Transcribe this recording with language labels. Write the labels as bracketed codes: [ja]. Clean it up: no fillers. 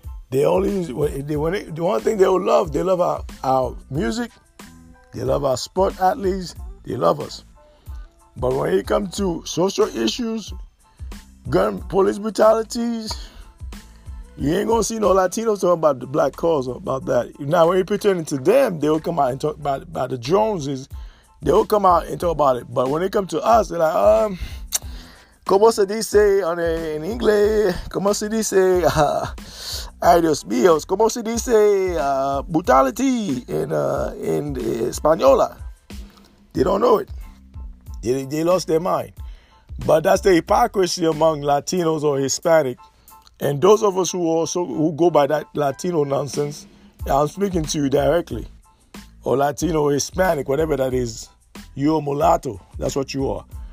[en] The one thing they love our music, they love our sport athletes, they love us. But when it comes to social issues, gun police brutalities, you ain't gonna see no Latinos talking about the black cause about that. Now when you pretend to them, they will come out and talk about the Joneses, they will come out and talk about it. But when it comes to us, they're like, [es] ¿Cómo se dice en inglés? ¿Cómo se dice? Ay, Dios mío. ¿Cómo se dice [en] brutality in [es] Española? [en] They don't know it. They lost their mind. But that's the hypocrisy among Latinos or Hispanic. And those of us who go by that Latino nonsense, I'm speaking to you directly. Or Latino or Hispanic, whatever that is. You're a mulatto. That's what you are.